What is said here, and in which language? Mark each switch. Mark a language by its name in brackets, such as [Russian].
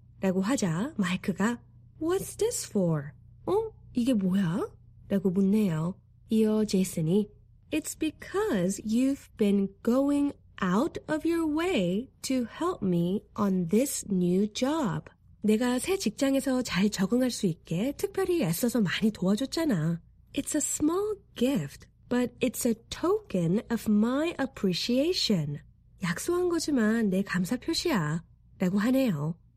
[Korean] 라고 하자 마이크가 [English] What's this for? [Korean] 어? 이게 뭐야? 라고 묻네요. 이어 제이슨이 [English] It's because you've been going out of your way to help me on this new job. [Korean] 내가 새 직장에서 잘 적응할 수 있게 특별히 애써서 많이 도와줬잖아. [English] It's a small gift, but it's a token of my appreciation. [Korean] 약속한 거지만 내 감사 표시야 라고 하네요.